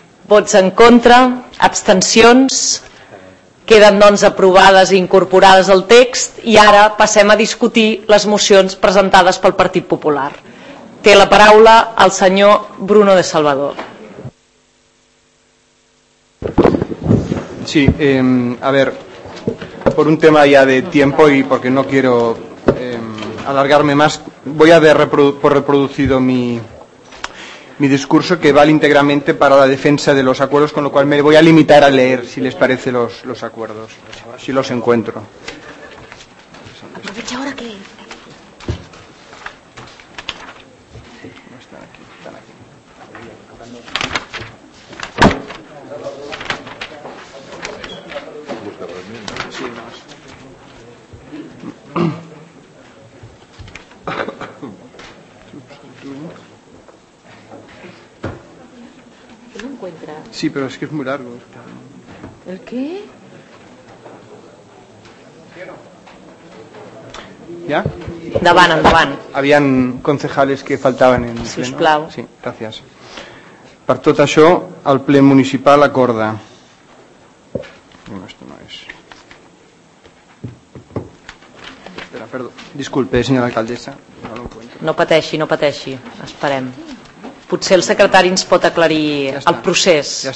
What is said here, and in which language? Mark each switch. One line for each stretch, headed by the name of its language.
Catalan: Vots en contra. Abstencions. Queden, doncs, aprovades i incorporades al text. I ara passem a discutir les mocions presentades pel Partit Popular. Té la paraula el senyor Bruno de Salvador.
Spanish: Sí, a ver, por un tema ya de tiempo y porque no quiero alargarme más, voy a ver por reproducido mi, mi discurso, que vale íntegramente para la defensa de los acuerdos, con lo cual me voy a limitar a leer, si les parece, los acuerdos, si los encuentro. Aprovecha ahora que... Sí, pero es que es muy largo. ¿El qué? ¿Ya?
Catalan: Endavant, endavant. Havien concejales que faltaven en ple. Sisplau. Sí, gràcies. Per tot això, el ple municipal acorda.
Spanish: No, esto no es. Espera,
Catalan: perdó.
Spanish: Disculpe,
Catalan: senyora alcaldessa.
Spanish: No lo encuentro.
Catalan: No pateixi, no pateixi. Esperem. Potser el secretari ens pot aclarir el procés.